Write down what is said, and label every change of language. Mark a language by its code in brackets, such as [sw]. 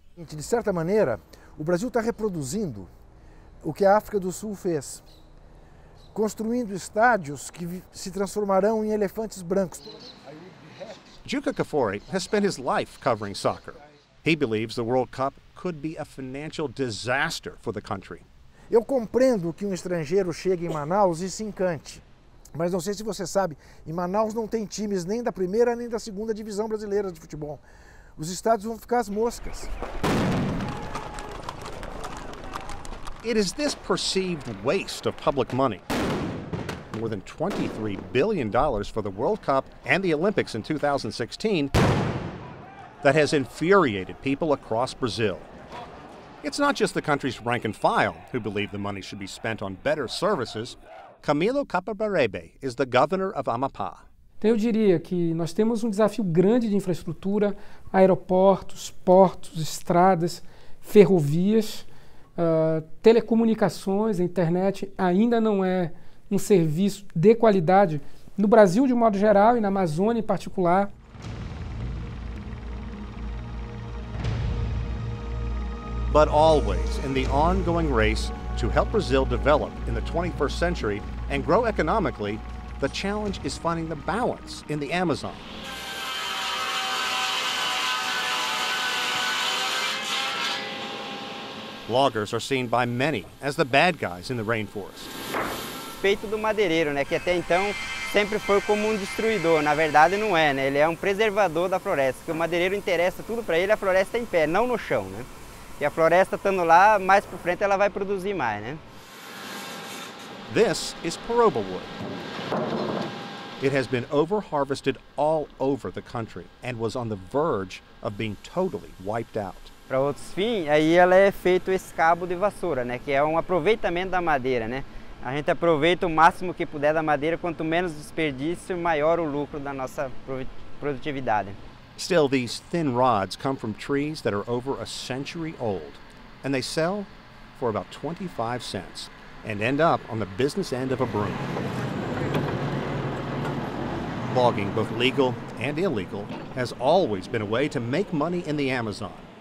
[pt] De certa maneira, o Brasil está reproduzindo o que a África do Sul fez, construindo estádios que se transformarão em elefantes brancos. [en] Juca Cafori has spent his life covering soccer. He believes the World Cup could be a financial disaster for the country. [pt] Eu compreendo que um estrangeiro chegue em Manaus e se encante. Mas não sei se você sabe, em Manaus não tem times nem da primeira nem da segunda divisão brasileira de futebol. Os estádios vão ficar as moscas. [en] It is this perceived waste of public money more than $23 billion for the World Cup and the Olympics in 2016 that has infuriated people across Brazil. It's not just the country's rank and file who believe the money should be spent on better services. Camilo Capabarebe is the governor of Amapá. [pt] Então, eu diria que nós temos desafio grande de infraestrutura, aeroportos, portos, estradas, ferrovias, telecomunicações, internet ainda não é serviço de qualidade no Brasil de modo geral e na Amazônia em particular. [en] But always in the ongoing race to help Brazil develop in the 21st century and grow economically, the challenge is finding the balance in the Amazon. Loggers are seen by many as the bad guys in the rainforest. [pt] Peito do madeireiro, né, que até então sempre foi como destruidor. Na verdade, não é, né? Ele é preservador da floresta. Que o madeireiro interessa tudo para ele, a floresta em pé, não no chão, né? E a floresta estando lá, mais para frente ela vai produzir mais, né? [en] This is peroba wood. It has been over-harvested all over the country and was on the verge of being totally wiped out. [pt] Para outros fins, aí ela é feito esse cabo de vassoura, né? Que é aproveitamento da madeira, né? A gente aproveita o máximo que puder da madeira, quanto menos desperdício, maior o lucro da nossa produtividade. [en] Still, these thin rods come from trees that are over a century old, and they sell for about 25 cents and end up on the business end of a broom. Logging, both legal and illegal, has always been a way to make money in the Amazon.